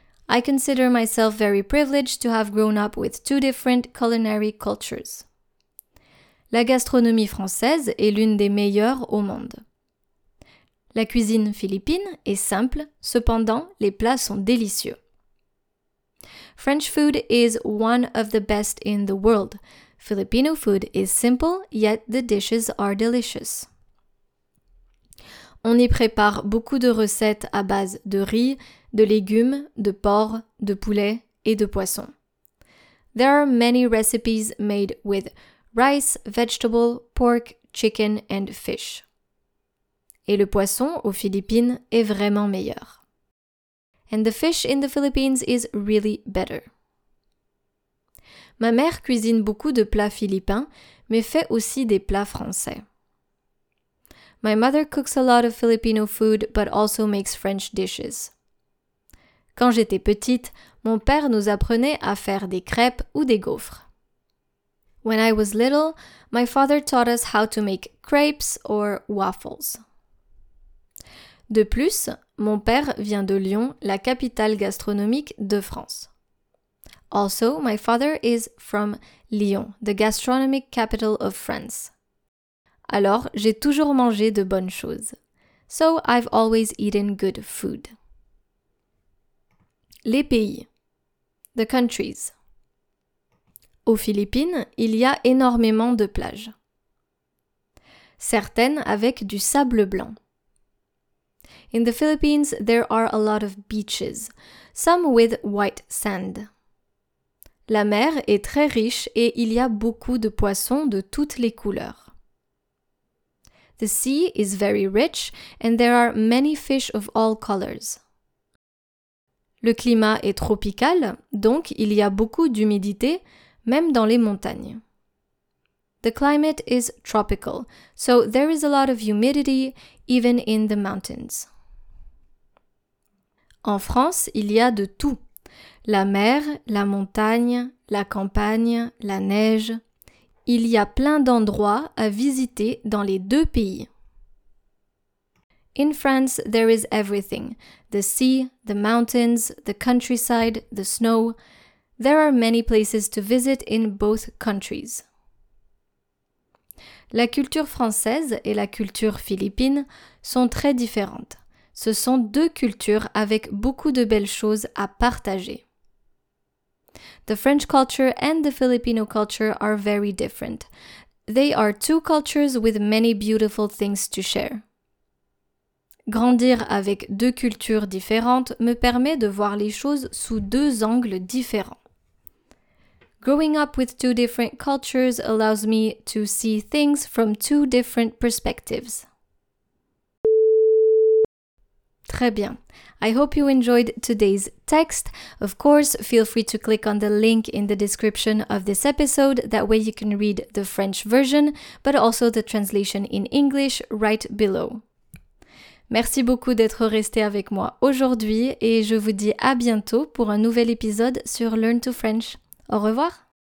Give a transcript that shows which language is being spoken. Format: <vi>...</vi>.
<en>I consider myself very privileged to have grown up with two different culinary cultures.</en> <fr>La gastronomie française est l'une des meilleures au monde. La cuisine philippine est simple, cependant, les plats sont délicieux.</fr> <en>French food is one of the best in the world. Filipino food is simple, yet the dishes are delicious.</en> <fr>On y prépare beaucoup de recettes à base de riz, de légumes, de porc, de poulet et de poisson.</fr> <en>There are many recipes made with rice, vegetable, pork, chicken and fish.</en> <fr>Et le poisson aux Philippines est vraiment meilleur.</fr> <en>And the fish in the Philippines is really better.</en> <fr>Ma mère cuisine beaucoup de plats philippins, mais fait aussi des plats français.</fr> <en>My mother cooks a lot of Filipino food, but also makes French dishes.</en> <fr>Quand j'étais petite, mon père nous apprenait à faire des crêpes ou des gaufres.</fr> <en>When I was little, my father taught us how to make crepes or waffles.</en> <fr>De plus, mon père vient de Lyon, la capitale gastronomique de France.</fr> <en>Also, my father is from Lyon, the gastronomic capital of France.</en> <fr>Alors, j'ai toujours mangé de bonnes choses.</fr> <en>So, I've always eaten good food.</en> <fr>Les pays.</fr> <en>The countries.</en> <fr>Aux Philippines, il y a énormément de plages. Certaines avec du sable blanc.</fr> <en>In the Philippines, there are a lot of beaches. Some with white sand.</en> <fr>La mer est très riche et il y a beaucoup de poissons de toutes les couleurs.</fr> <en>The sea is very rich and there are many fish of all colors.</en> <fr>Le climat est tropical, donc il y a beaucoup d'humidité, même dans les montagnes.</fr> <en>The climate is tropical, so there is a lot of humidity even in the mountains.</en> <fr>En France, il y a de tout. La mer, la montagne, la campagne, la neige. Il y a plein d'endroits à visiter dans les deux pays.</fr> <en>In France, there is everything. The sea, the mountains, the countryside, the snow. There are many places to visit in both countries.</en> <fr>La culture française et la culture philippine sont très différentes. Ce sont deux cultures avec beaucoup de belles choses à partager.</fr> <en>The French culture and the Filipino culture are very different. They are two cultures with many beautiful things to share.</en> <fr>Grandir avec deux cultures différentes me permet de voir les choses sous deux angles différents.</fr> <en>Growing up with two different cultures allows me to see things from two different perspectives.</en> <fr>Très bien.</fr> <en>I hope you enjoyed today's text. Of course, feel free to click on the link in the description of this episode. That way you can read the French version, but also the translation in English right below.</en> <fr>Merci beaucoup d'être resté avec moi aujourd'hui et je vous dis à bientôt pour un nouvel épisode sur Learn to French. Au revoir!</fr>